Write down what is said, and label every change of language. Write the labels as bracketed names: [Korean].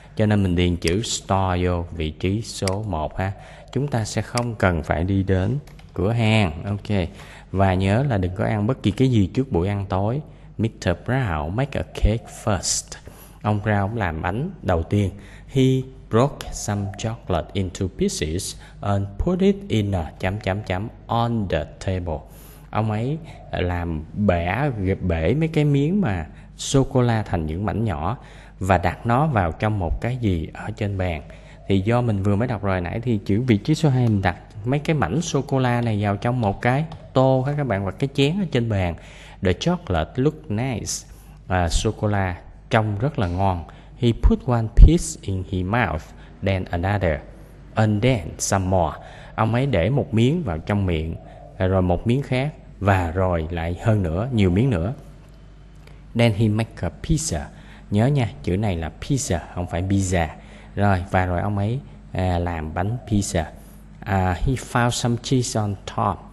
[Vietnamese] Cho nên mình điền chữ store vô vị trí số 1 ha. Chúng ta sẽ không cần phải đi đến cửa hàng. Ok. Và nhớ là đừng có ăn bất kỳ cái gì trước buổi ăn tối. Mr. [English] Brown make a cake first. [Vietnamese] Ông Brown làm bánh đầu tiên. [English] He broke some chocolate into pieces and put it in a on the table. [Vietnamese] Ông ấy làm bể mấy cái miếng mà sô-cô-la thành những mảnh nhỏ và đặt nó vào trong một cái gì ở trên bàn. Thì do mình vừa mới đọc rồi nãy thì chữ vị trí số 2 mình đặt mấy cái mảnh sô-cô-la này vào trong một cái tô hả các bạn, hoặc cái chén ở trên bàn. [English] The chocolate looked nice. [Vietnamese] Sô-cô-la trông rất là ngon. [English] He put one piece in his mouth, then another, and then some more. [Vietnamese] Ông ấy để một miếng vào trong miệng, rồi một miếng khác, và rồi lại hơn nữa, nhiều miếng nữa. [English] Then he make a pizza. [Vietnamese] Nhớ nha, chữ này là pizza, không phải pizza. Rồi, và rồi ông ấy làm bánh pizza. [English] He found some cheese on top.